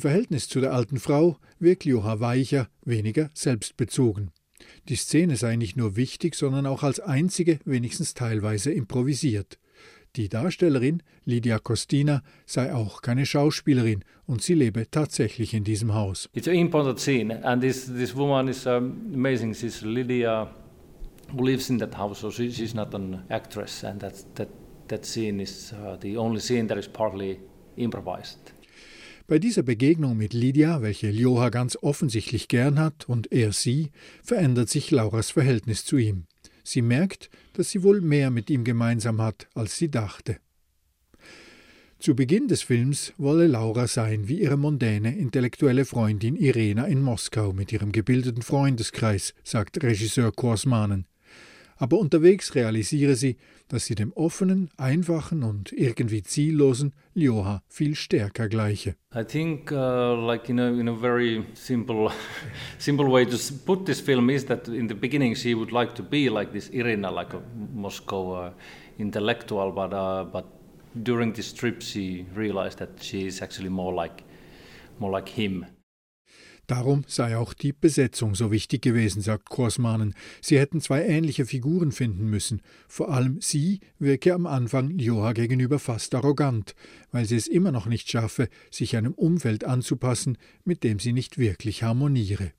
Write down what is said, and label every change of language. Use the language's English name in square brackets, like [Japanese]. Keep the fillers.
[German] Verhältnis zu der alten Frau wirkt Lioha weicher, weniger selbstbezogen. Die Szene sei nicht nur wichtig, sondern auch als einzige wenigstens teilweise improvisiert. Die Darstellerin Lydia Costina sei auch keine Schauspielerin und sie lebe tatsächlich in diesem Haus. [English] It's an important scene and this this woman is amazing. She's Lydia lives in that house. So she's not an actress and that that that scene is the only scene that is partly improvised. [German] Bei dieser Begegnung mit Lydia, welche Joha ganz offensichtlich gern hat und er sie, verändert sich Lauras Verhältnis zu ihm. Sie merkt, dass sie wohl mehr mit ihm gemeinsam hat, als sie dachte. Zu Beginn des Films wolle Laura sein wie ihre mondäne intellektuelle Freundin Irena in Moskau mit ihrem gebildeten Freundeskreis, sagt Regisseur Korsmanen aber unterwegs realisiere sie, dass sie dem offenen, einfachen und irgendwie ziellosen Lioha viel stärker gleiche. [English] I think uh, like in a, in a very simple simple way to put this film is that in the beginning she would like to be like this Irina like a Moscow uh, intellectual but uh, but during this trip she realized that she is actually more like more like him. [German] Darum sei auch die Besetzung so wichtig gewesen, sagt Korsmanen. Sie hätten zwei ähnliche Figuren finden müssen. Vor allem sie wirke am Anfang Joha gegenüber fast arrogant, weil sie es immer noch nicht schaffe, sich einem Umfeld anzupassen, mit dem sie nicht wirklich harmoniere.